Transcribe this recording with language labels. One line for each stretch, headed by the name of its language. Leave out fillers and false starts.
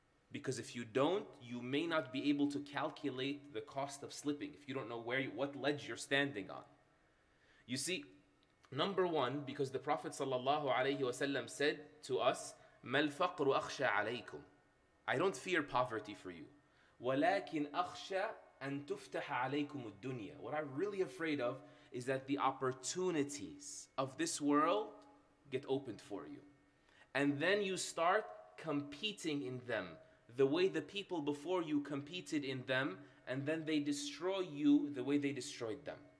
English: Because if you don't, you may not be able to calculate the cost of slipping if you don't know where you, what ledge you're standing on. You see, number one, because the Prophet ﷺ said to us,
Arabic: مَلْ فَقْرُ أَخْشَى عَلَيْكُمْ.
English: I don't fear poverty for you.
Arabic: وَلَكِنْ أَخْشَى أَنْ تُفْتَحَ عَلَيْكُمُ الدُّنْيَا.
English: What I'm really afraid of is that the opportunities of this world get opened for you. And then you start competing in them the way the people before you competed in them, and then they destroy you the way they destroyed them.